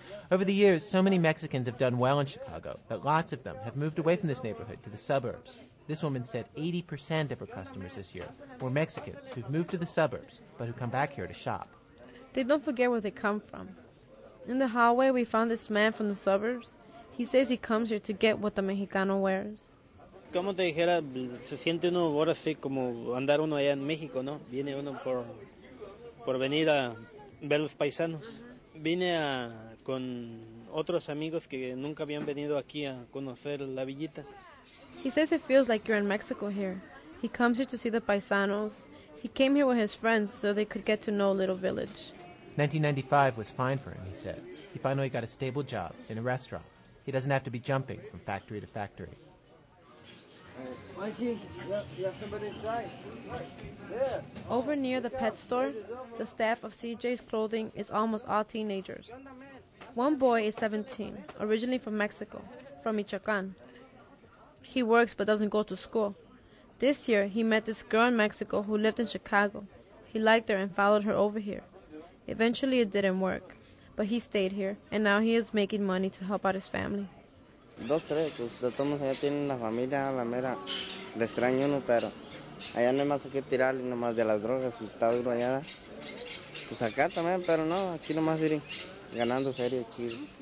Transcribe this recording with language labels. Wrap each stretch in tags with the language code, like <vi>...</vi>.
<en>Over the years, so many Mexicans have done well in Chicago that lots of them have moved away from this neighborhood to the suburbs. This woman said 80% of her customers this year were Mexicans who've moved to the suburbs but who come back here to shop. They don't forget where they come from. In the hallway, we found this man from the suburbs. He says he comes here to get what the Mexicano wears.</en> <es>Como te dijera, se siente uno ahora sí como andar uno allá en México, ¿no? Viene uno por venir a ver los paisanos. Vine a con otros amigos que nunca habían venido aquí a conocer la villita.</es> <en>He says it feels like you're in Mexico here. He comes here to see the paisanos. He came here with his friends so they could get to know a little village. 1995 was fine for him, he said. He finally got a stable job in a restaurant. He doesn't have to be jumping from factory to factory. Mikey, you have somebody inside. Over near the pet store, the staff of CJ's clothing is almost all teenagers. One boy is 17, originally from Mexico, from Michoacán. He works but doesn't go to school. This year, he met this girl in Mexico who lived in Chicago. He liked her and followed her over here. Eventually, it didn't work, but he stayed here, and now he is making money to help out his family.</en> <es>Dos, tres, pues, de todos modos, allá tienen la familia, la mera, le extraño uno, pero allá no hay más que tirar, nomás de las drogas, está duro allá. Pues acá también, pero no, aquí nomás ir ganando feria, chido.</es>